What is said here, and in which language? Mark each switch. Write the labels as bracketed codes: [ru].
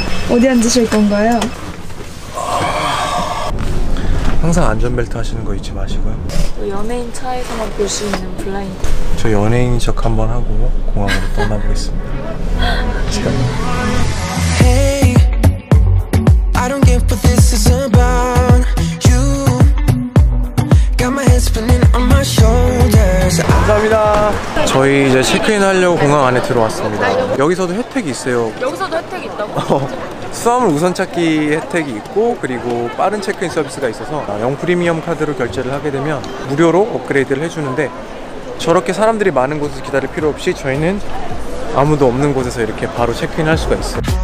[ko] 어디 앉으실 건가요? 항상 안전벨트 하시는 거 잊지 마시고요. 연예인 차에서만 볼 수 있는 블라인드. 저 연예인 척 한번 하고 공항으로 떠나보겠습니다. 제가. [en] Hey, I don't get what this is about you. Got my head spinning on my shoulders. [ko] 감사합니다. 저희 이제 체크인 하려고 공항 안에 들어왔습니다. 여기서도 혜택이 있어요. 여기서도 혜택이 있다고? 수화물 우선 찾기 혜택이 있고, 그리고 빠른 체크인 서비스가 있어서 영 프리미엄 카드로 결제를 하게 되면 무료로 업그레이드를 해주는데, 저렇게 사람들이 많은 곳에서 기다릴 필요 없이 저희는 아무도 없는 곳에서 이렇게 바로 체크인 할 수가 있어요.